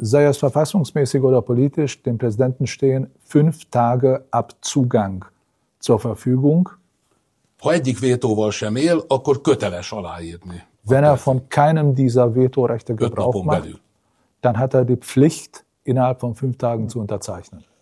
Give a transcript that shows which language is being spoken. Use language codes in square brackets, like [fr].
[de] Sei es verfassungsmäßig oder politisch, dem Präsidenten stehen 5 Tage ab Zugang zur Verfügung. [hu] Ha egyik vétóval sem él, akkor köteles aláírni. [de] Wenn er von keinem dieser Vetorechte Gebrauch macht, dann hat er die Pflicht, innerhalb von 5 Tagen zu unterzeichnen.